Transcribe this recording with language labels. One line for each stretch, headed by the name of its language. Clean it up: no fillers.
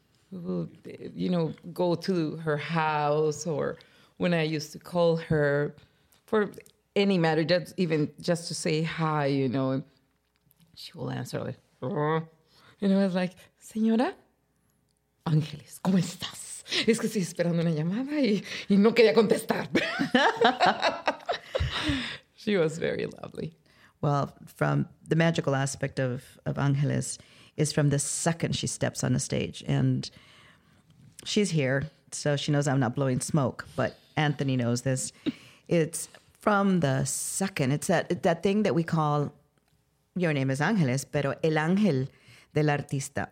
English: go to her house, or when I used to call her for any matter, just even just to say hi, you know, she will answer like, and I was like,
Spanish: señora, Ángeles, ¿cómo estás? Es que estoy esperando una llamada y no quería contestar.
English: She was very lovely. Well, from the magical aspect of Angeles is from the second she steps on the stage. And she's here, so she knows I'm not blowing smoke, but Anthony knows this. It's from the second. It's that thing that we call, your name is Angeles,
Spanish: pero el ángel del artista.